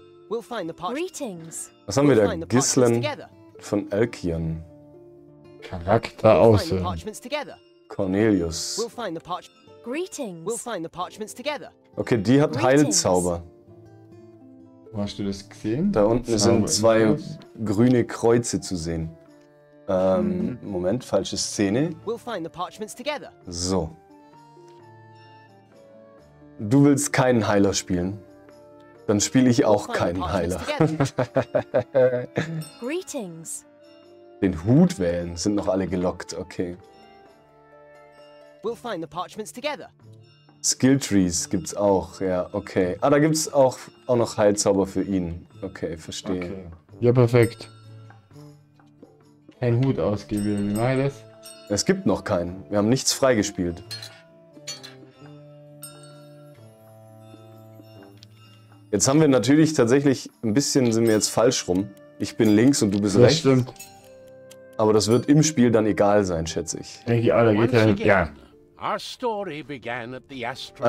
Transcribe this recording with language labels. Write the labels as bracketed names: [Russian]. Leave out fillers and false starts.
[English] We'll find the parchment. Greetings. [German] Was haben wir da? Gislen von Elkian. Charakter aussehen. Cornelius. [English] We'll find the Greetings. We'll find the parchments together. [German] Okay, die hat Heilzauber. Hast du das gesehen? Da unten Zauber sind zwei grüne Kreuze zu sehen. Moment, falsche Szene. [English] We'll find the parchments together. [German] So. Du willst keinen Heiler spielen. Dann spiele ich auch keinen Heiler. [English] Greetings. [German] Den Hut wählen, sind noch alle gelockt, okay. [English] We'll find the parchments together. [German] Skill Trees gibt's auch, ja, okay. Ah, da gibt's auch noch Heilzauber für ihn. Okay, verstehe. Okay. Ja, perfekt. Ein Hut ausgewählt, wie mache ich das? Es gibt noch keinen. Wir haben nichts freigespielt. Jetzt haben wir natürlich tatsächlich ein bisschen, sind wir jetzt falsch rum. Ich bin links und du bist das rechts. Das stimmt. Aber das wird im Spiel dann egal sein, schätze ich. Denke ich, Alter, geht [English] again, [German] ja. [English] Our story began at the Astral